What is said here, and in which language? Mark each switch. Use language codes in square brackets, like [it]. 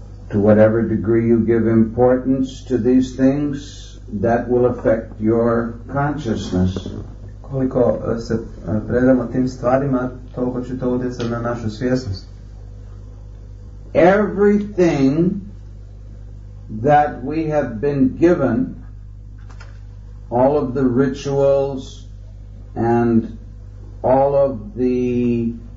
[en] To whatever degree you give importance to these things, that will affect your consciousness. [bs] Koliko se predamo tim stvarima, toliko će to utjecati na našu svjesnost. [en] Everything that we have been given, all of the rituals and all of the